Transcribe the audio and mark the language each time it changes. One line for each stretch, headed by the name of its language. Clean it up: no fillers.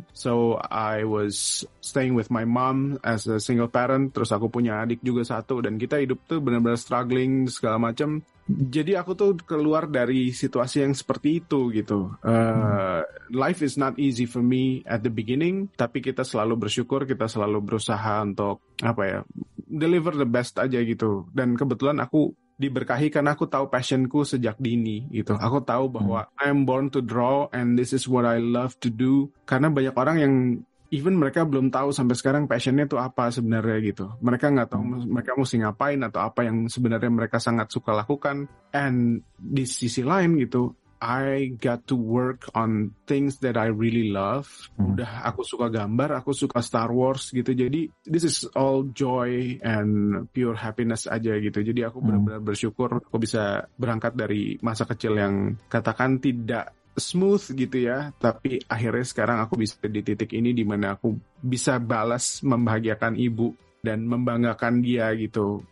English: So, I was staying with my mom as a single parent.
Indonesian: Terus aku punya adik juga satu, dan kita hidup tuh benar-benar struggling segala macam. Jadi aku tuh keluar dari situasi yang seperti itu gitu. Life is not easy for me at the beginning, tapi kita selalu bersyukur, kita selalu berusaha untuk
English: deliver the best
Indonesian: aja gitu. Dan kebetulan aku diberkahi karena aku tahu passionku sejak dini gitu. Aku tahu bahwa
English: I am born to draw and this is what I love to do.
Indonesian: Karena banyak orang yang even mereka belum tahu sampai sekarang passionnya itu apa sebenarnya gitu. Mereka nggak tahu mereka mesti ngapain atau apa yang sebenarnya mereka sangat suka lakukan.
English: And
Indonesian: di sisi lain gitu,
English: I got to work on things that I really love.
Indonesian: Udah aku suka gambar, aku suka Star Wars gitu. Jadi
English: this is all joy and pure happiness
Indonesian: aja gitu. Jadi aku benar-benar bersyukur aku bisa berangkat dari masa kecil yang katakan tidak smooth gitu ya, tapi akhirnya sekarang aku bisa di titik ini di mana aku bisa balas membahagiakan ibu dan membanggakan dia gitu.